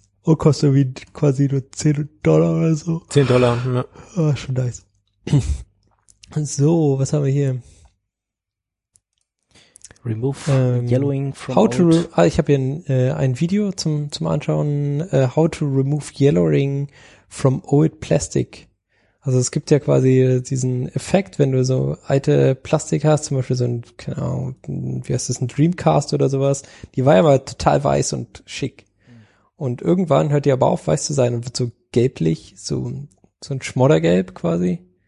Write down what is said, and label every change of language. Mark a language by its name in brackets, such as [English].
[German] Und kostet wie quasi nur $10 oder so. $10, ja. Ah, schon nice. So, was haben wir hier? [English] Remove yellowing from how old. [German] Ich habe hier ein Video zum Anschauen. [English] How to remove yellowing from old plastic. [German] Also es gibt ja quasi diesen Effekt, wenn du so alte Plastik hast, zum Beispiel so ein, keine Ahnung, wie heißt das, ein Dreamcast oder sowas. Die war ja mal total weiß und schick. Und irgendwann hört die aber auf, weiß zu sein, und wird so gelblich, so ein Schmoddergelb quasi.